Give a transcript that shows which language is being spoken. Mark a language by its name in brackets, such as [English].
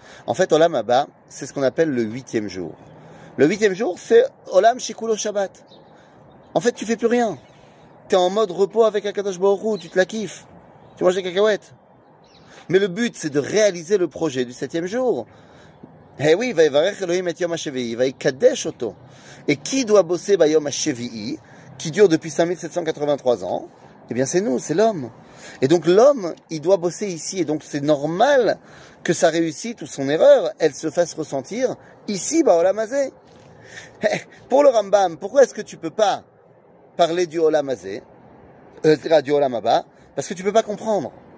[French] En fait, Olam Haba, c'est ce qu'on appelle le huitième jour. Le huitième jour, c'est Olam Shikulo Shabbat. En fait, tu fais plus rien. Tu es en mode repos avec Akadosh Baruch Hu, tu te la kiffes. Tu manges des cacahuètes. Mais le but, c'est de réaliser le projet du septième jour. [Hebrew] oui, ויברך אלוהים את יום השביעי, ויקדש אותו. [French] Et qui doit bosser ba yom ha-shevi'i, qui dure depuis 5783 ans? Eh bien, c'est nous, c'est l'homme. Et donc, l'homme, il doit bosser ici. Et donc, c'est normal que sa réussite ou son erreur, elle se fasse ressentir ici, bah, olam hazeh. Pour le Rambam, pourquoi est-ce que tu peux pas parler du olam hazeh, du olam haba? Parce que tu peux pas comprendre.